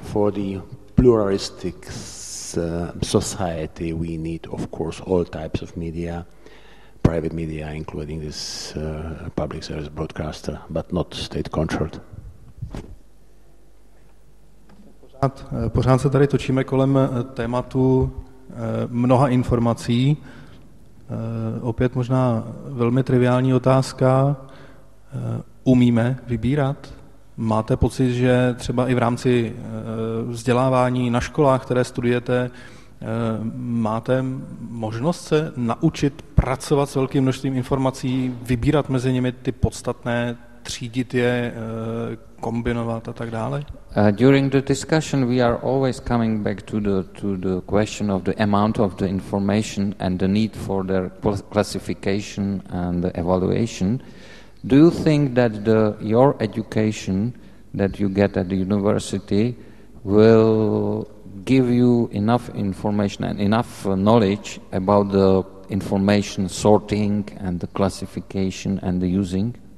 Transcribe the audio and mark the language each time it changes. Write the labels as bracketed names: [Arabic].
[English] For the pluralistic society, we need, of course, all types of media, private media, including this public service broadcaster, but not state-controlled. [Czech] Pořád se tady točíme kolem tématu mnoha informací. Opět možná velmi triviální otázka. Umíme vybírat? Máte pocit, že třeba i v rámci vzdělávání na školách, které studujete, máte možnost se naučit pracovat s velkým množstvím informací, vybírat mezi nimi ty podstatné, třídit je, kombinovat a tak dále? [English] During the discussion we are always coming back to the question of the amount of the information and the need for their classification and the evaluation. Do you think that your education that you get at the university will give you enough information and enough knowledge about the information sorting and the classification and the using?